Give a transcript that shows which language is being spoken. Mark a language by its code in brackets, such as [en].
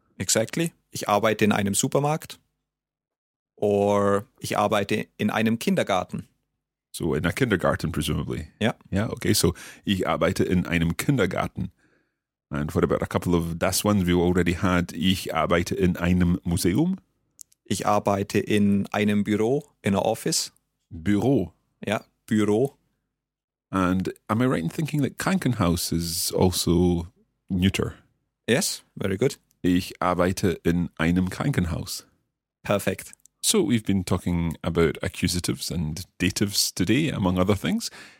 [en] Exactly. [de] Ich arbeite in einem Supermarkt. Or ich arbeite in einem Kindergarten. [en] So in a kindergarten, presumably. Yeah. Yeah, okay. So [de] ich arbeite in einem Kindergarten. [en] And what about a couple of das ones we already had? [de] Ich arbeite in einem Museum. Ich arbeite in einem Büro, [en] in a office. [de] Büro. [en] Yeah, Büro. And am I right in thinking that Krankenhaus is also neuter? Yes, very good. [de] Ich arbeite in einem Krankenhaus. [en] Perfect. So we've been talking about accusatives and datives today, among other things.